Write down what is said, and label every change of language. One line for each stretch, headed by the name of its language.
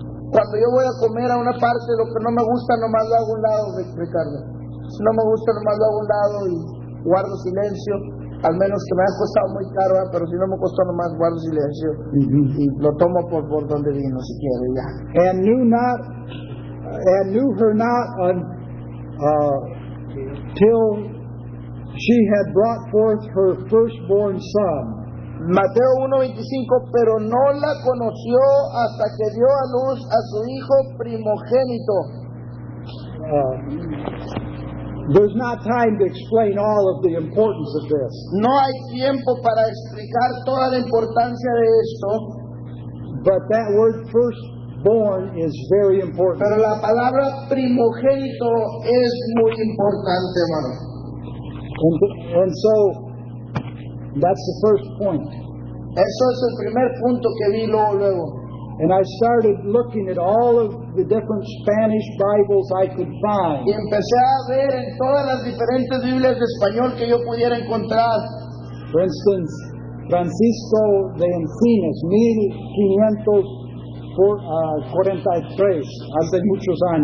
Spanish: Cuando yo voy a comer a una parte, lo que no me gusta, nomás lo hago a un lado, Ricardo. Si no me gusta, nomás lo hago a un lado y guardo silencio. Al menos que me haya costado muy caro, ¿eh? Pero si no me costó nomás, guardo silencio. Mm-hmm. Y lo tomo por donde vino, si quiere, ya.
English: And knew her not until she had brought forth her firstborn son.
Spanish: Mateo 1:25, pero no la conoció hasta que dio a luz a su hijo primogénito.
English: There's not time to explain all of the importance of this.
Spanish: No hay tiempo para explicar toda la importancia de esto.
English: But that word first born is very important.
Spanish: Pero la palabra primogénito es muy importante, hermano.
English: And so that's the first point.
Spanish: Eso es el primer punto que vi luego.
English: And I started looking at all of the different Spanish Bibles I could find.
Spanish: Y empecé a ver en todas las diferentes Biblias de español que yo pudiera encontrar.
English: For instance,
Spanish: Francisco de Encinas, 1543, hace muchos años.